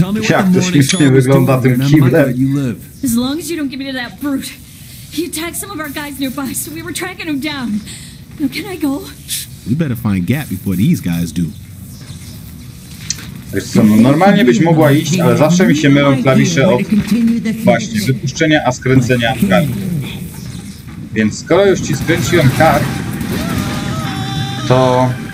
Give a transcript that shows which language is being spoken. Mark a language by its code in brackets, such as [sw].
[pl] Jak to śmiesznie wygląda tym kiblem. [en] As long as you don't give me to that brute. He attacked some of our guys nearby, so we were tracking him down. Now can I go? We better find Gap before these guys do. [pl] Wiesz co, no normalnie byś mogła iść, ale zawsze mi się mylą klawisze od właśnie wypuszczenia, a skręcenia kart. Więc skoro już ci skręciłem kart, to...